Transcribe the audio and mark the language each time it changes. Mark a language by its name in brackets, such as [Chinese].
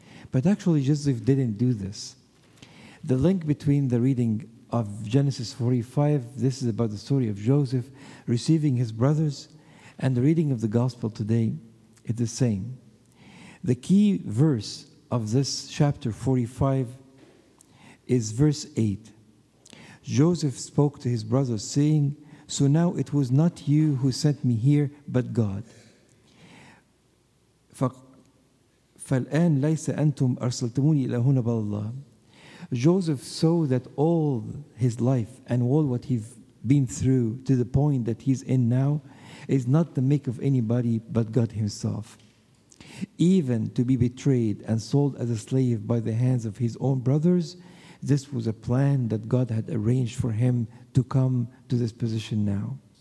[English] But actually, Joseph didn't do this. The link between the reading of Genesis 45, this is about the story of Joseph receiving his brothers, and the reading of the gospel today is the same. The key verse of this chapter 45 is verse 8. Joseph spoke to his brothers, saying, "So now it was not you who sent me here, but God. [Arabic] فالآن ليس أنتم أرسلتموني إلى هنا بل الله." [English] Joseph saw that all his life and all what he's been through to the point that he's in now is not the make of anybody but God himself. Even to be betrayed and sold as a slave by the hands of his own brothers, this was a plan that God had arranged for him to come to this position now.